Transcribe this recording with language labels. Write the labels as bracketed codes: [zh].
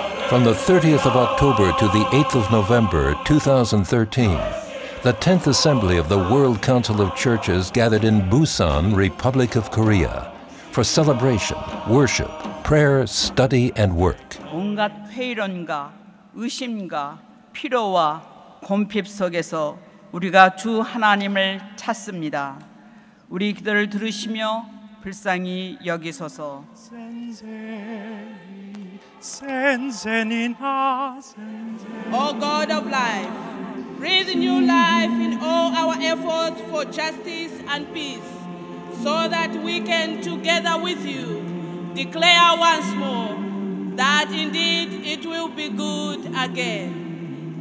[en] From the 30th of October to the 8th of November, 2013, the 10th Assembly of the World Council of Churches gathered in Busan, Republic of Korea, for celebration, worship, prayer, study, and work. [ko] 온갖 회의론과 의심과 피로와 곤핍 속에서 우리가 주 하나님을 찾습니다. 우리 기도를 들으시며 불쌍히 여기소서. [en] 오 God of life, breathe new life in all our efforts for justice and peace, so that we can together with you declare once more that indeed it will be good again.